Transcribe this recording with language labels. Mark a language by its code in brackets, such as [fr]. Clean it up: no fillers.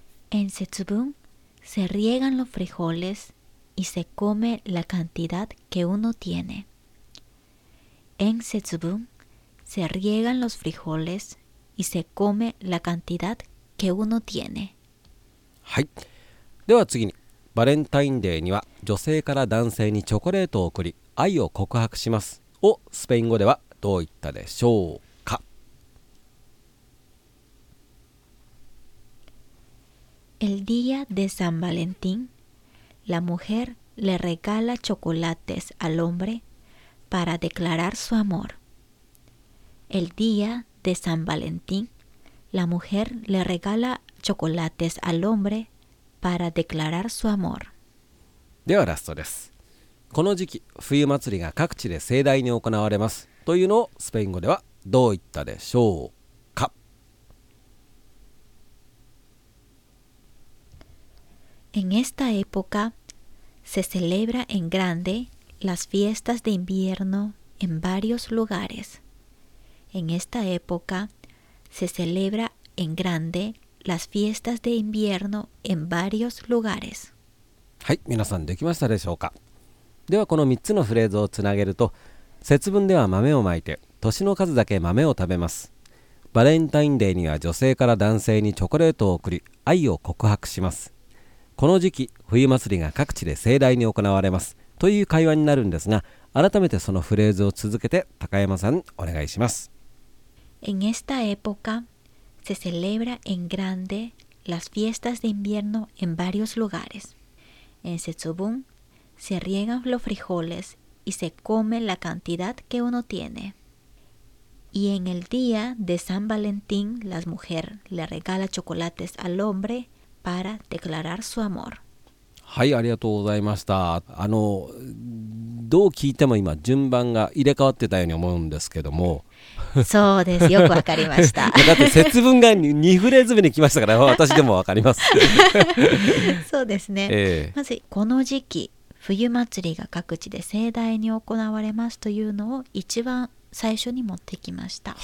[es] En Setsubun se riegan los frijoles y se come la cantidad que uno tiene. En Setsubun se riegan los frijoles y se come la cantidad que uno tiene. [ja] はい。では次に、バレンタインデーには女性から男性にチョコレートを贈り愛を告白しますをスペイン語ではどう言ったでしょう？ [es] El día de San Valentín, la mujer le regala chocolates al hombre para declarar su amor. El día de San Valentín, la mujer le regala chocolates al hombre para declarar su amor. [ja] ではラストです。この時期、冬祭りが各地で盛大に行われますというのをスペイン語ではどう言ったでしょう？ En esta época se celebra en grande las fiestas de invierno en varios lugares. En esta época se celebra en grande las fiestas de invierno en varios lugares. はい、皆さんできましたでしょうか？ではこの3つのフレーズをつなげると、節分では豆をまいて、年の数だけ豆を食べます。バレンタインデーには女性から男性にチョコレートを贈り、愛を告白します。この時期、冬祭りが各地で盛大に行われますという会話になるんですが、改めてそのフレーズを続けて高山さんお願いします。 [es] En esta época se celebra en grande las fiestas de invierno en varios lugares. En Setsubun se riegan los frijoles y se come la cantidad que uno tiene. Y en el día de San Valentín la mujer le regala chocolates al hombrePara declarar su amor. [ja] はい、ありがとうございました。どう聞いても今順番が入れ替わってたように思うんですけども。そうです、よくわかりました。だって節分が2フレーズ目に来ましたから私でもわかります。そうですね、まずこの時期冬祭りが各地で盛大に行われますというのを一番最初に持ってきました。